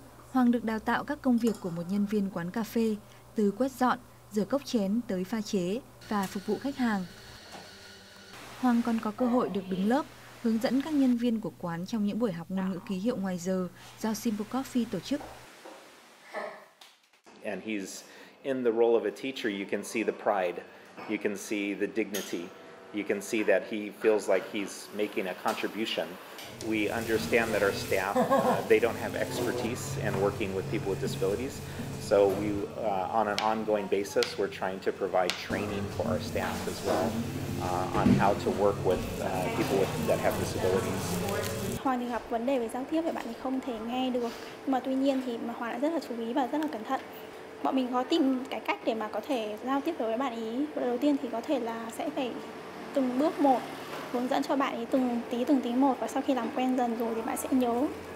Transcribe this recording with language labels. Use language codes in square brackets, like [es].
[vi] Hoàng được đào tạo các công việc của một nhân viên quán cà phê, từ quét dọn, rửa cốc chén tới pha chế và phục vụ khách hàng. Hoàng còn có cơ hội được đứng lớp, hướng dẫn các nhân viên của quán trong những buổi học ngôn ngữ ký hiệu ngoài giờ do Simple Coffee tổ chức. [en] And he's in the role of a teacher, you can see the pride, you can see the dignity. You can see that he feels like he's making a contribution. We understand that our staff, they don't have expertise in working with people with disabilities. So we, on an ongoing basis, we're trying to provide training for our staff as well on how to work with people that have disabilities. [vi] Hoàng thì gặp vấn đề về giao tiếp thì bạn thì không thể nghe được. Mà tuy nhiên thì Hoàng đã rất là chú ý và rất là cẩn thận. Bọn mình có tìm cái cách để mà có thể giao tiếp được với bạn ý. Đầu tiên thì có thể là sẽ phải từng bước một hướng dẫn cho bạn ấy từng tí một và sau khi làm quen dần rồi thì bạn sẽ nhớ.